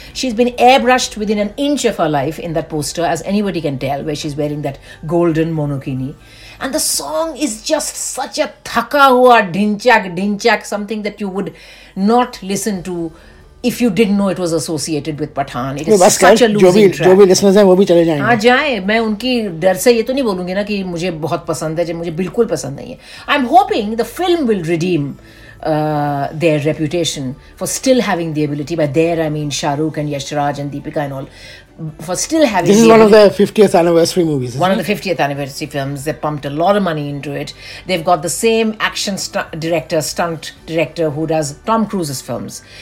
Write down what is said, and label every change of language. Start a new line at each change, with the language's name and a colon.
English: She's been airbrushed within an inch of her life in that poster, as anybody can tell, where she's wearing that golden monokini. And the song is just such a
Hindi: thaka hua dinchak,
English: something that you would not listen to if you didn't know it was associated with Pathaan. It is such a losing track.
Hindi: जो भी listeners हैं वो भी चले जाएंगे। हाँ जाएं। मैं उनकी डर से ये तो नहीं बोलूँगी ना कि मुझे बहुत पसंद है, जब मुझे बिल्कुल पसंद नहीं है।
English: I'm hoping the film will redeem their reputation for still having the ability. By there I mean Shah Rukh and Yash Raj and Deepika and all. For still having this is one of their 50th anniversary movies, one of the 50th anniversary films. They pumped a lot of money into it. They've got the same action stunt director who does Tom Cruise's films.